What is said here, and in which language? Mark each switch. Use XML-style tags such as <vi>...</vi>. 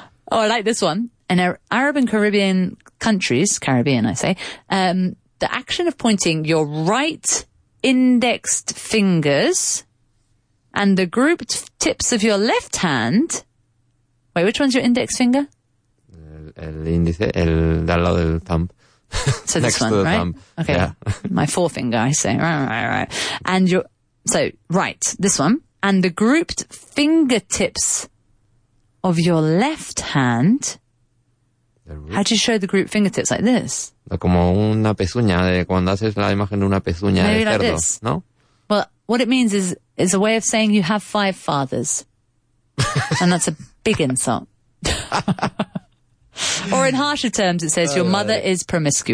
<en>Oh, I like this one. In Arab and Caribbean countries, the action of pointing your right indexed fingers and the grouped tips of your left hand. Wait, which one's your index finger?</en> <es>El índice, el de al lado del thumb.</es> <en>So this one, to the right? Thumb. Okay. Yeah. My forefinger, I say. Right. And your, so right, this one, and the grouped fingertips of your left hand. How do you show the group fingertips like this?</en> <es>Como una pezuña, de cuando haces la imagen de una pezuña</es> <en>maybe</en> <es>de cerdo,</es> <en>like this.</en> <es>¿No?</es> <en>Well, what it means is it's a way of saying you have 5 fathers. And that's a big insult. Or in harsher terms, it says your mother is promiscuous.</en>